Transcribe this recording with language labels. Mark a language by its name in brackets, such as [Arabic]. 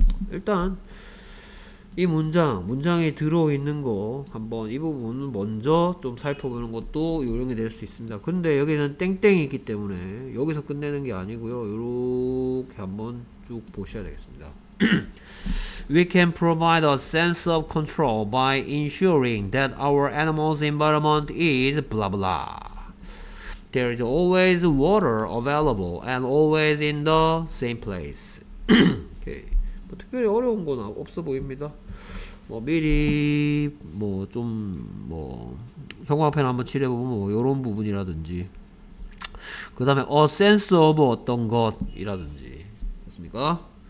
[Korean] 일단 이 문장에 들어있는 거 한번 이 부분 먼저 좀 살펴보는 것도 요령이 될수 있습니다. 근데 여기는 땡땡이 있기 때문에 여기서 끝내는 게 아니고요. 요렇게 한번 쭉 보셔야 되겠습니다. [English] We can provide a sense of control by ensuring that our animal's environment is blah blah. There is always water available and always in the same place. [Korean] 오케이. 뭐 특별히 어려운 건 없어 보입니다. 뭐 미리 뭐좀뭐 형광펜 한번 칠해보면 뭐 이런 부분이라든지, 그 다음에 [English] a sense of [Korean] 어떤 것이라든지, 맞습니까?